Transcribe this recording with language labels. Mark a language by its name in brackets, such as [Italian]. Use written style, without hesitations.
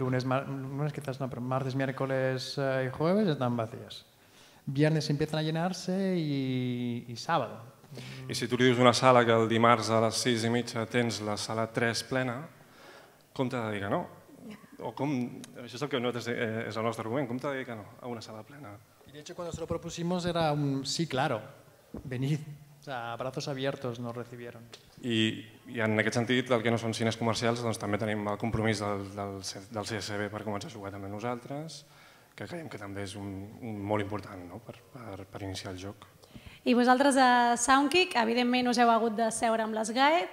[Spanish] Lunes, quizás no, però martes, miércoles i jueves [Catalan] estan vacies. [Spanish] Viernes empiezan a llenar-se i sábado. [Catalan] I si tu li dius una sala que el dimarts a les 6:30 tens la sala 3 plena, com t'ha de dir que no? O com, això és el que nosaltres, és el nostre argument, com t'ha de dir que no a una sala plena? [Spanish] Y de hecho, cuando se lo propusimos era un sí, claro, venid. O sea, brazos abiertos nos recibieron. [Catalan] I en aquest sentit, el que no són cines comercials, doncs també tenim el compromís del CSB per començar a jugar també nosaltres, que creiem que també és un molt important, no? per iniciar el joc. I vosaltres a Soundkick, evidentment us heu hagut de seure amb l'SGAE.